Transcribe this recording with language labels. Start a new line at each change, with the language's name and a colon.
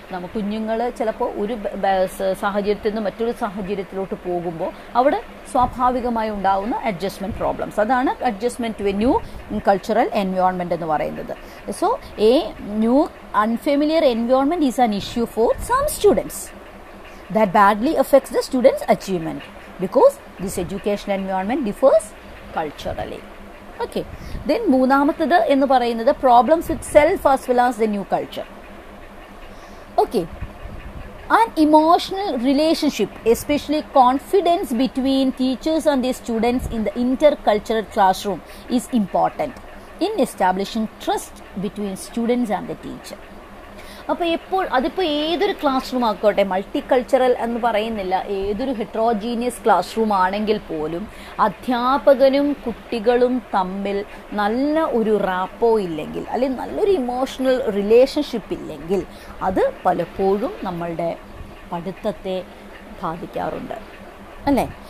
Malayalam: നമുക്ക് കുഞ്ഞുങ്ങൾ ചിലപ്പോൾ ഒരു സാഹചര്യത്തിൽ നിന്ന് മറ്റൊരു സാഹചര്യത്തിലോട്ട് പോകുമ്പോൾ അവിടെ സ്വാഭാവികമായി ഉണ്ടാകുന്ന അഡ്ജസ്റ്റ്മെൻറ്റ് പ്രോബ്ലംസ്, അതാണ് adjustment to A new cultural environment എന്ന് പറയുന്നത്.
English: So a new unfamiliar environment is an issue for some students that badly affects the students achievement because this educational environment differs culturally. Okay, then moonamathathu ennu parayunnathu problems with self as well as the new culture. Okay, an emotional relationship, especially confidence between teachers and their students in the intercultural classroom, is important in establishing trust between students and the teacher.
Malayalam: അപ്പോൾ എപ്പോൾ അതിപ്പോൾ ഏതൊരു class room ആക്കോട്ടെ, multi cultural എന്ന് പറയുന്നില്ല, ഏതൊരു heterogeneous class room ആണെങ്കിൽ പോലും അധ്യാപകനും കുട്ടികളും തമ്മിൽ നല്ല ഒരു റാപ്പോ ഇല്ലെങ്കിൽ, അല്ലെങ്കിൽ നല്ലൊരു ഇമോഷണൽ റിലേഷൻഷിപ്പ് ഇല്ലെങ്കിൽ, അത് പലപ്പോഴും നമ്മളുടെ പഠിത്തത്തെ ബാധിക്കാറുണ്ട്. അല്ലേ?